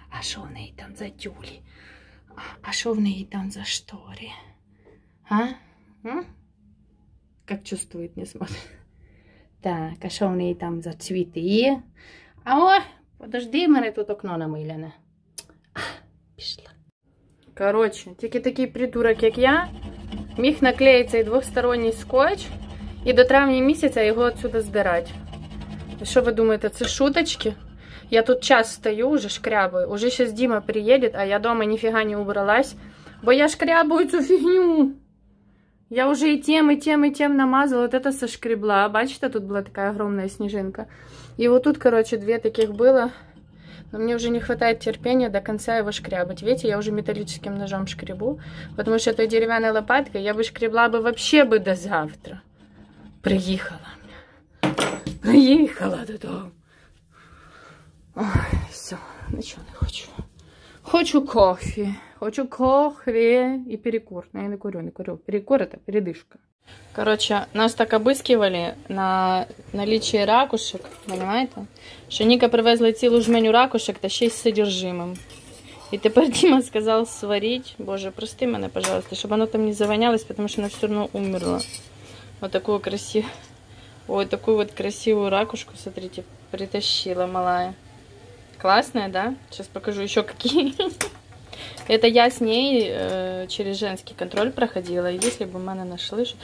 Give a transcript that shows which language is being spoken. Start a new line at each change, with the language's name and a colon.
Russian: А шо в ней там за тюли? А шо в ней там за штори? А? М? Как чувствует, не смотрит. Так, а шо в ней там за цветы? А о, подожди, мы тут окно намылено. А, пошла.
Ukrainian: Короче, тільки такий придурок, як я, міг наклеїти і двохсторонній скотч.
Russian: И до травня месяца его отсюда сдирать. Что вы думаете, это шуточки? Я тут час стою, уже шкрябаю. Уже сейчас Дима приедет, а я дома нифига не убралась.
Ukrainian: Бо я шкрябаю
Russian: эту фигню. Я уже и тем, и тем, и тем намазала. Вот это сошкребла.
Ukrainian: Бачите,
Russian: тут была такая огромная снежинка. И вот тут, короче, две таких было. Но мне уже не хватает терпения до конца его шкрябать. Видите, я уже металлическим ножом шкребу. Потому что этой деревянной лопаткой я бы шкребла бы вообще бы до завтра.
Ukrainian: Приїхала. Приїхала додому. Ой, все, нічого не хочу. Хочу кофе. Хочу кофе і перекур. Ну, я не курю, не курю. Перекур – це передишка.
Russian: Короче, нас так обыскивали на наличие ракушек, понимаете?
Ukrainian: Що Ніка привезла цілу жменю ракушек, та ще й з содержимим. І тепер Діма сказав сварить. Боже, прости мене,
Russian: пожалуйста,
Ukrainian: щоб воно там не завонялось, тому що воно все одно умерло.
Russian: Вот такую красивую, ой, такую вот красивую ракушку, смотрите, притащила малая. Классная, да? Сейчас покажу еще какие. Это я с ней через женский контроль проходила, если бы меня нашли.